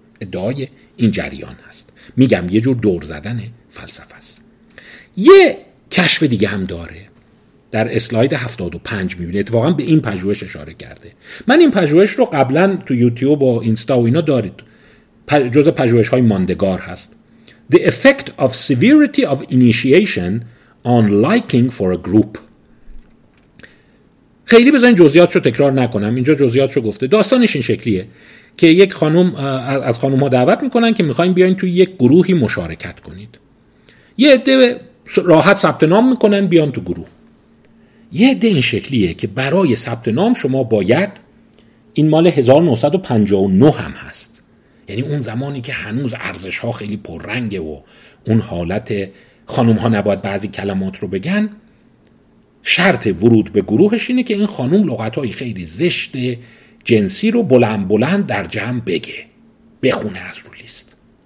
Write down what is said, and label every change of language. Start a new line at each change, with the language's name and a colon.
Persian: ادعای این جریان هست، میگم یه جور دور زدن فلسفه است. یه کشف دیگه هم داره در اسلاید 75 میبینه، اتفاقا به این پژوهش اشاره کرده. من این پژوهش رو قبلا تو یوتیوب و اینستا و اینا دارید، جز پژوهش های ماندگار هست.
English: The effect of severity of initiation on liking for a group.
Persian: خیلی بذارین جزئیات رو تکرار نکنم، اینجا جزئیات رو گفته. داستانش این شکلیه که یک خانم، از خانم ها دعوت میکنن که میخواییم بیاین توی یک گروهی مشارکت کنید. یه عده راحت ثبت نام میکنن بیان تو گروه. یه عده این شکلیه که برای ثبت نام شما باید، این مال 1959 هم هست، یعنی اون زمانی که هنوز ارزش ها خیلی پررنگه و اون حالت خانم ها نباید بعضی کلمات رو بگن، شرط ورود به گروهش اینه که این خانم لغت های خیلی زشته جنسی رو بلند بلند در جمع بگه، بخونه از رو لیست.